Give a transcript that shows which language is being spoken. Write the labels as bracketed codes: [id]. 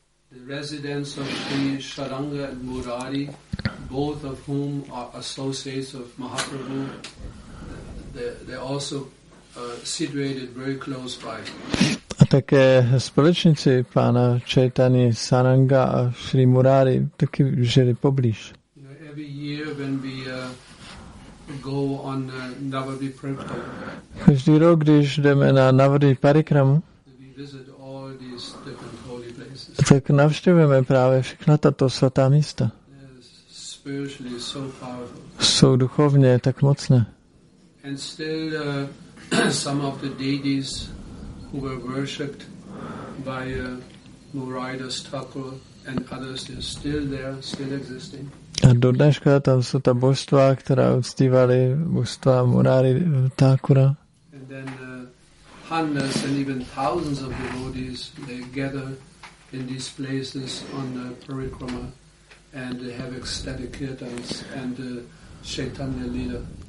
[en] The residents of Sri Sharanga and Murari, both of whom are associates of Mahaprabhu, they also situated very close by. [cs] A také společníci pána Chaitany Saranga a Shri Murari taky žili poblíž. [en] Every year when we go on Navadvip Parikram. [cs] Každý rok, když jdeme na Navadvip Parikram, [en] we visit all these different holy places. [cs] Tak navštěvujeme právě všechna tato svatá místa. [en] Spiritually so powerful. [cs] Jsou duchovně tak mocné. [en] And still some of the deities who were worshipped by Muraidas Thakur and others are still there, still existing. [cs] A do dneška tam jsou ta božstva, která uctívali božstva Murari Thakura. [en] And then hundreds and even thousands of devotees, they gather in these places on the parikrama and they have ecstatic kirtans and Chaitanya Lila.